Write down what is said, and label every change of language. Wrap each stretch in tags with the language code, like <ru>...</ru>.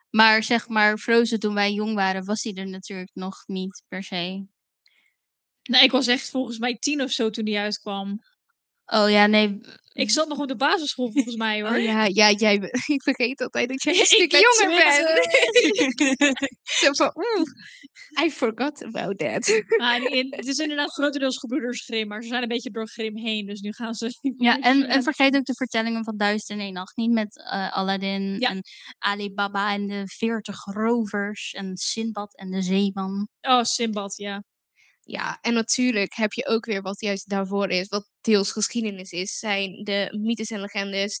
<nl>Maar zeg maar, Frozen toen wij jong waren, was hij er natuurlijk nog niet per se. Nee, ik was echt volgens mij 10 of zo toen die uitkwam. Oh ja, nee. Ik zat nog op de basisschool volgens mij, hoor. Oh, ja, jij. Ik vergeet altijd dat jij een stuk jonger bent. Zo van,</nl> <en>I forgot about that.</en> <nl>Het is inderdaad grotendeels Gebroeders Grimm, maar ze zijn een beetje door Grimm heen, dus nu gaan ze. Ja, en vergeet ook de vertellingen van Duizend en Eén Nacht niet, met Aladdin, ja. En Ali Baba en de 40 rovers en Sindbad en de zeeman. Oh, Sindbad, ja. Ja, en natuurlijk heb je ook weer wat juist daarvoor is, wat deels geschiedenis is, zijn de mythes en legendes.</nl>